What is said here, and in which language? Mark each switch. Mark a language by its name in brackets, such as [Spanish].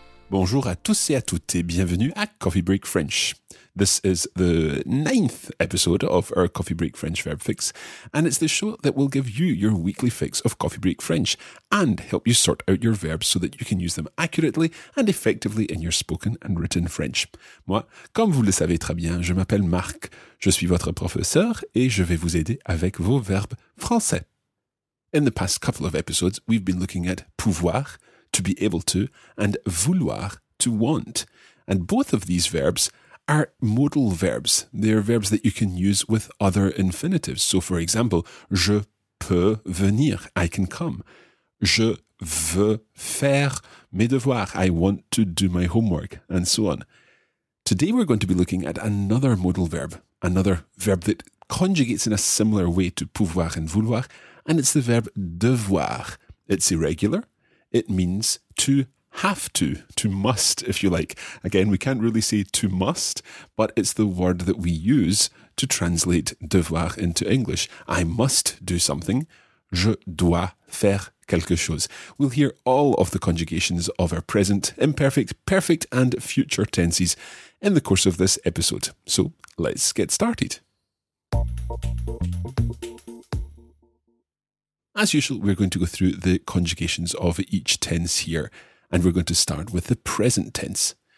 [French] Bonjour à tous et à toutes, et bienvenue à Coffee Break French. [English] This is the 9th episode of our Coffee Break French Verb Fix, and it's the show that will give you your weekly fix of Coffee Break French and help you sort out your verbs so that you can use them accurately and effectively in your spoken and written French. [French] Moi, comme vous le savez très bien, je m'appelle Marc, je suis votre professeur et je vais vous aider avec vos verbes français. [English] In the past couple of episodes, we've been looking at pouvoir, to be able to, and vouloir, to want. And both of these verbs are modal verbs. They are verbs that you can use with other infinitives. So, for example, [French] je peux venir, [English] I can come. [French] Je veux faire mes devoirs, [English] I want to do my homework, and so on. Today we're going to be looking at another modal verb, another verb that conjugates in a similar way to pouvoir and vouloir, and it's the verb devoir. It's irregular. It means to have to must, if you like. Again, we can't really say to must, but it's the word that we use to translate devoir into English. I must do something. [French] Je dois faire quelque chose. [English] We'll hear all of the conjugations of our present, imperfect, perfect, and future tenses in the course of this episode. So let's get started. As usual, we're going to go through the conjugations of each tense here, and we're going to start with the present tense.